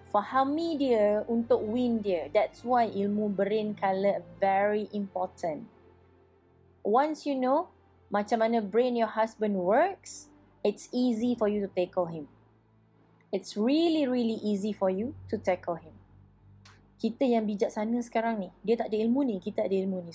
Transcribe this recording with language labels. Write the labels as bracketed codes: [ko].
[ms] Fahami dia untuk win dia. [en] That's why ilmu brain color very important. Once you know [ms] macam mana [en] brain your husband works, it's easy for you to tackle him. It's really, really easy for you to tackle him. [ms] Kita yang bijaksana sekarang ni, dia tak ada ilmu ni, kita ada ilmu ni.